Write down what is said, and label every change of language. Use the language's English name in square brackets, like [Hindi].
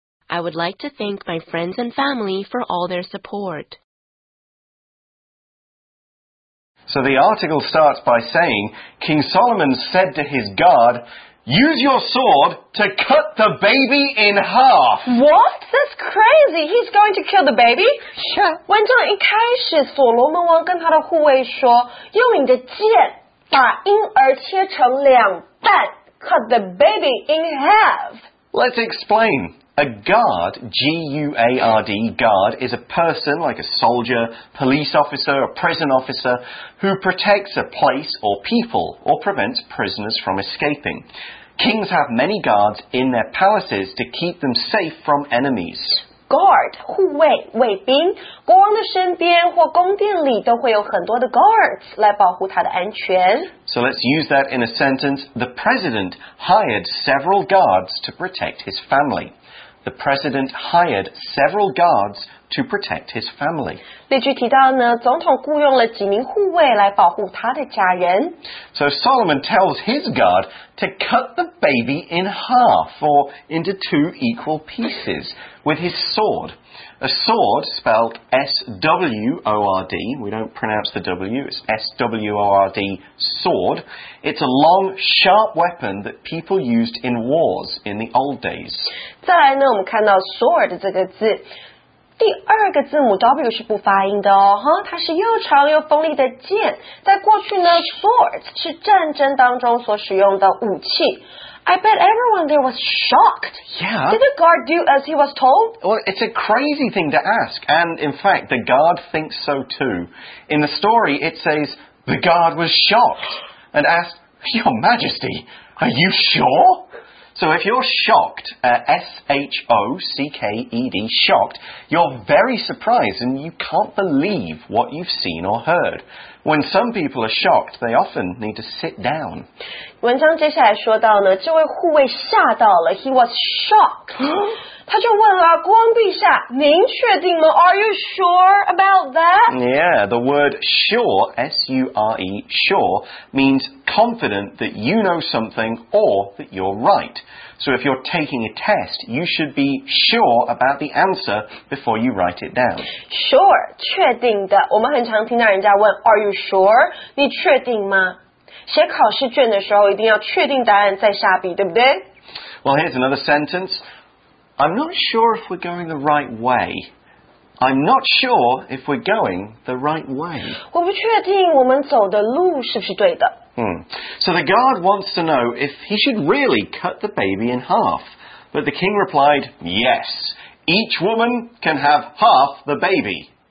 [English] I would like to thank my friends and family for all their support. So the article starts by saying, King Solomon said to his guard, Use your sword to cut the baby in half. What? That's crazy. He's going to kill the baby? Yeah. [Chinese] 文章一开始，所罗门王跟他的护卫说，用你的剑。把婴儿切成两半 [English] Cut the baby in half Let's explain A guard, G-U-A-R-D, guard is a person like a soldier, police officer, a prison officer who protects a place or people or prevents prisoners from escaping Kings have many guards in their palaces to keep them safe from enemies [Chinese] Guard, 护卫、卫兵，国王的身边或宫殿里都会有很多的 guards 来保护他的安全。 [English] So let's use that in a sentence. The president hired several guards to protect his family. The president hired several guards to protect his family. [Chinese] 例句提到呢，总统雇佣了几名护卫来保护他的家人。 [English] So Solomon tells his guard to cut the baby in half or into two equal pieces with his sword. A sword spelled S-W-O-R-D, we don't pronounce the W, it's S-W-O-R-D, sword. It's a long, sharp weapon that people used in wars in the old days. [Chinese] 再来呢，我们看到 sword 这个字。第二个字母 W 是不发音的哦，哈，它是又长又锋利的剑。在过去呢 ，swords 是战争当中所使用的武器。 [English] I bet everyone there was shocked. Yeah. Did the guard do as he was told? Well, it's a crazy thing to ask, and in fact, the guard thinks so too. In the story, it says the guard was shocked and asked, "Your Majesty, are you sure?" So if you're shocked, S-H-O-C-K-E-D, shocked, you're very surprised and you can't believe what you've seen or heard. When some people are shocked, they often need to sit down. [Chinese] 文章接下来说到呢，这位护卫吓到了， [English] he was shocked. [Chinese] 他就问了，国王陛下，您确定吗？ [English] Are you sure about that? Yeah, the word sure, S-U-R-E, sure, means confident that you know something or that you're right. So if you're taking a test, you should be sure about the answer before you write it down. [Chinese] Sure, 确定的。我们很常听到人家问， [English] Are you sure? [Chinese] 你确定吗？写考试卷的时候一定要确定答案再下笔，对不对？ [English] Well, here's another sentence. I'm not sure if we're going the right way. I'm not sure if we're going the right way. [Chinese] 我不确定我们走的路是不是对的。 [English] So the guard wants to know if he should really cut the baby in half. But the king replied, yes, each woman can have half the baby.